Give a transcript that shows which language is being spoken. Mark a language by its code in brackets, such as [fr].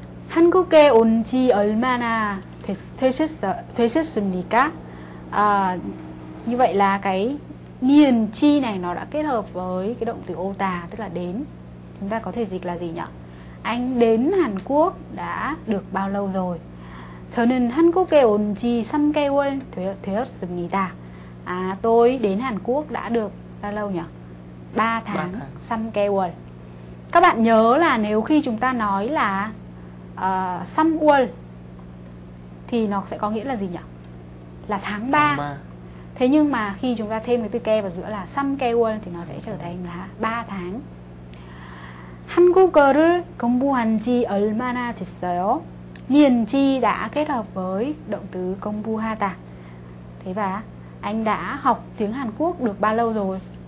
[ko] 한국에 온 지 얼마나 되셨습니까? [vi] 아, như vậy là cái niên chi này nó đã kết hợp với cái động từ ô tà, tức là đến. Chúng ta có thể dịch là gì nhỉ? Anh đến Hàn Quốc đã được bao lâu rồi? [ko] 저는 한국에 온 지 3개월 되었습니다. [vi] 아, tôi đến Hàn Quốc đã được bao lâu nhỉ? 3 tháng, 3개월. Các bạn nhớ là nếu khi chúng ta nói là 3월 thì nó sẽ có nghĩa là gì nhỉ? Là tháng 3. Thế nhưng mà khi chúng ta thêm cái từ ke vào giữa là 3개월 thì nó sẽ trở thành là 3 tháng. [ko] 한국어를 공부한 지 얼마나 됐어요? [vi] 니은 지 đã kết hợp với động từ 공부하다. Thế và anh đã học tiếng Hàn Quốc được bao lâu rồi?